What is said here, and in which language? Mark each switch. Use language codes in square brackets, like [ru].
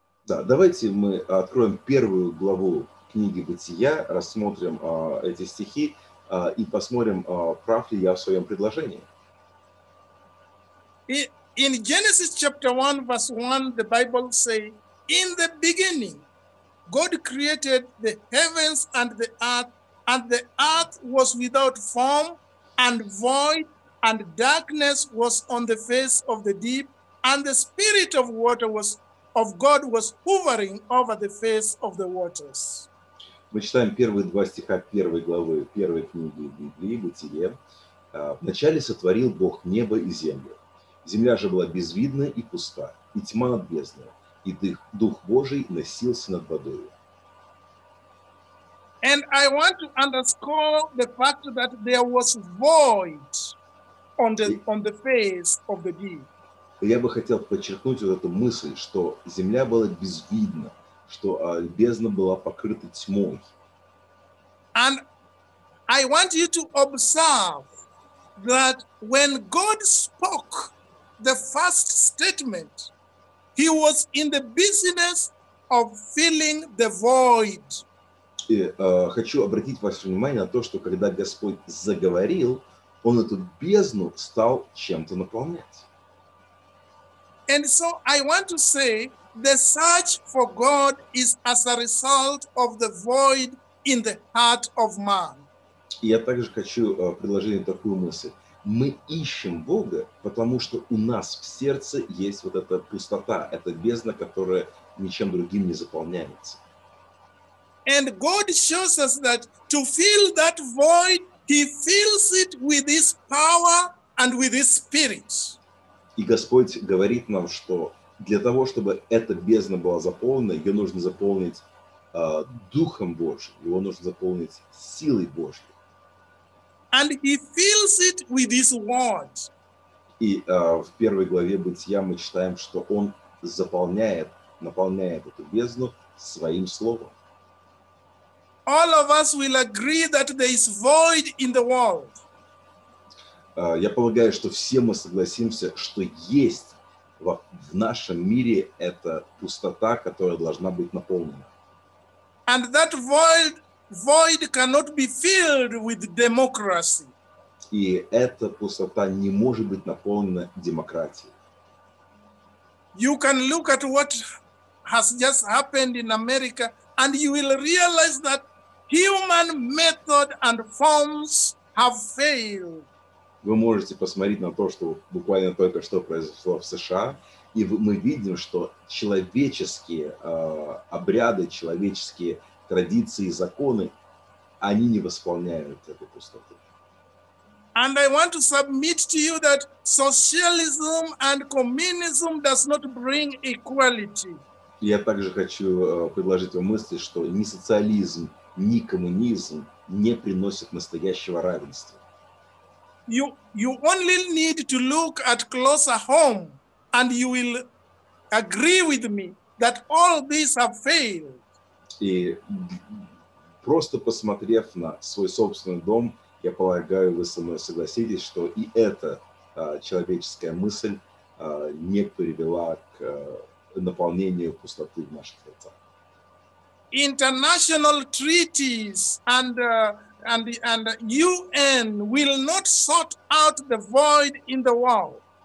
[ru] Да, давайте мы откроем первую главу книги Бытия, рассмотрим эти стихи и посмотрим, прав ли я в своем предложении. [en] In Genesis chapter 1, verse 1, the Bible says, "In the beginning, God created the heavens and the earth was without form and void, and darkness was on the face of the deep. And the spirit of water was of God was hovering over the face of the waters." [ru] Мы читаем первые два стиха первой главы первой книги Библии Бытие. Вначале сотворил Бог небо и землю. Земля же была безвидна и пуста, и тьма над бездной, и дух Божий носился над водою. [en] And I want to underscore the fact that there was void on the face of the deep. [ru] Я бы хотел подчеркнуть вот эту мысль, что земля была безвидна, что бездна была покрыта тьмой. [en] And I want you to observe that when God spoke the first statement, He was in the business of filling the void. [ru] И хочу обратить ваше внимание на то, что когда Господь заговорил, Он эту бездну стал чем-то наполнять. [en] And so I want to say the search for God is as a result of the void in the heart of man. [ru] Я также хочу предложить такую мысль. Мы ищем Бога, потому что у нас в сердце есть вот эта пустота, эта бездна, которая ничем другим не заполняется. [en] And God shows us that to fill that void, He fills it with His power and with His Spirit. [ru] И Господь говорит нам, что для того, чтобы эта бездна была заполнена, ее нужно заполнить Духом Божьим, его нужно заполнить силой Божьей. [en] And He fills it with His Word. [ru] И в первой главе Бытия мы читаем, что Он наполняет эту бездну Своим Словом. [en] All of us will agree that there is void in the world. [ru] Я полагаю, что все мы согласимся, что есть в нашем мире эта пустота, которая должна быть наполнена. [en] And that void cannot be filled with democracy. [ru] И эта пустота не может быть наполнена демократией. [en] You can look at what has just happened in America, and you will realize that human method and forms have failed. [ru] Вы можете посмотреть на то, что буквально только что произошло в США, и мы видим, что человеческие обряды, человеческие традиции, законы, они не восполняют эту пустоту. [en] And I want to submit to you that socialism and communism does not bring equality. [ru] Я также хочу предложить вам мысль, что ни социализм, ни коммунизм не приносят настоящего равенства. [en] You only need to look at closer home, and you will agree with me that all these have failed. [ru] И просто посмотрев на свой собственный дом, я полагаю, вы со мной согласитесь, что и эта человеческая мысль не привела к наполнению пустоты в наших сердцах. [en] International treaties and UN will not sort out the void in the world.